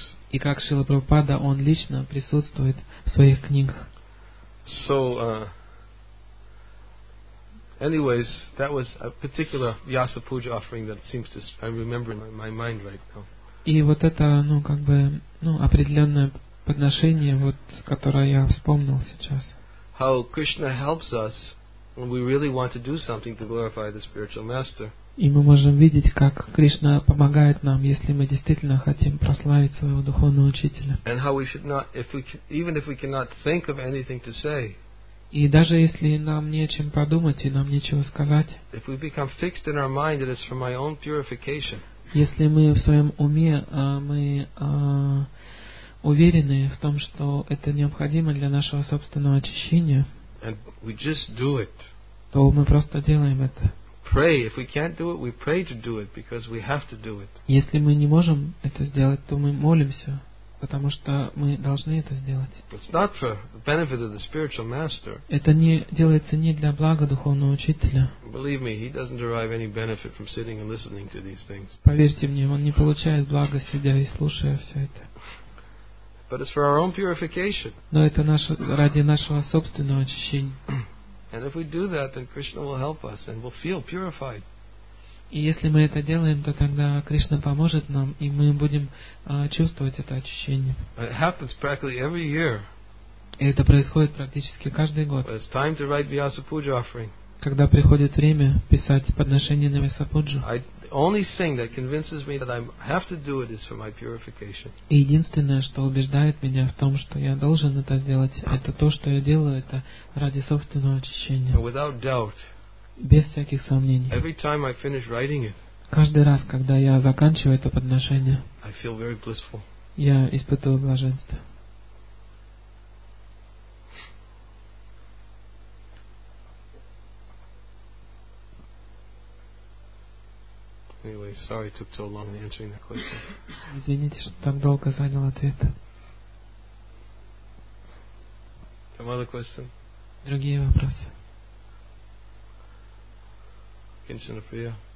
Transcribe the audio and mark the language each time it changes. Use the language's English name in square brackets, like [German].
[Russian] И как Шрила Прабхупада, он лично присутствует в своих книгах. [English] So, anyways, that was a particular Vyasa Puja offering that seems to, I remember in my mind right now. [Russian] И вот это, ну, как бы, ну, определенное подношение, вот, которое я вспомнил сейчас. [English] How Krishna helps us when we really want to do something to glorify the spiritual master. [Russian] И мы можем видеть, как Кришна помогает нам, если мы действительно хотим прославить своего духовного учителя. [English] And how we should not, if we can, even if we cannot think of anything to say. [Russian] И даже если нам не о чем подумать и нам нечего сказать. [English] If we become fixed in our mind that it's for my own purification. [Russian] Если мы в своем уме мы уверены в том, что это необходимо для нашего собственного очищения, [English] and we just do it. [Russian] То мы просто делаем это. [English] Pray. If we can't do it, we pray to do it because we have to do it. [Russian] Если мы не можем это сделать, то мы молимся, потому что мы должны это сделать. [English] It's not for the benefit of the spiritual master. [Russian] Это не делается не для блага духовного учителя. [English] Believe me, he doesn't derive any benefit from sitting and listening to these things. [Russian] Поверьте мне, он не получает блага, сидя и слушая все это. [English] But it's for our own purification. [Russian] Но это ради нашего собственного очищения. [English] And if we do that, then Krishna will help us and we'll feel purified. [Russian] И если мы это делаем, то тогда Кришна поможет нам, и мы будем чувствовать это очищение. [English] It happens practically every year. [Russian] И это происходит практически каждый год. [English] It's time to write Vyasa Puja offering. [Russian] Когда приходит время писать подношение на Вьясапуджу. [English] Only thing that convinces me that I have to do it is for my purification. [Russian] Единственное, что убеждает меня в том, что я должен это сделать, это то, что я делаю, это ради собственного очищения. [English] Without doubt. [Russian] Без всяких сомнений. [English] Every time I finish writing it. [Russian] Каждый раз, когда я заканчиваю это подношение. [English] I feel very blissful. [Russian] Я испытываю блаженство. [English] Anyway, sorry it took so long answering the question. [Russian] Извините, что так долго занял ответ. [English] Some other question? [Russian] Другие вопросы. Кинчина Прия.